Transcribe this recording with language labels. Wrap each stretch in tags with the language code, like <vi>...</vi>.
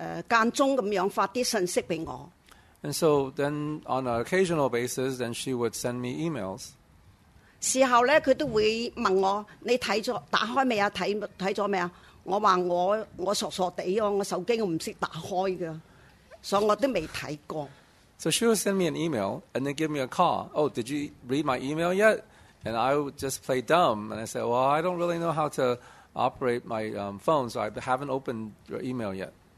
<en>And so then on an occasional basis, then she would send me emails.</en> <zh>事后呢她都会问我你看了打开没有 看了没有我说我傻傻地我手机我不懂打开的所以我都没看过。</zh> <en>So she would send me an email and then give me a call. Oh, did you read my email yet? And I would just play dumb. And I said, well, I don't really know how to operate my phone, so I haven't opened your email yet.</en>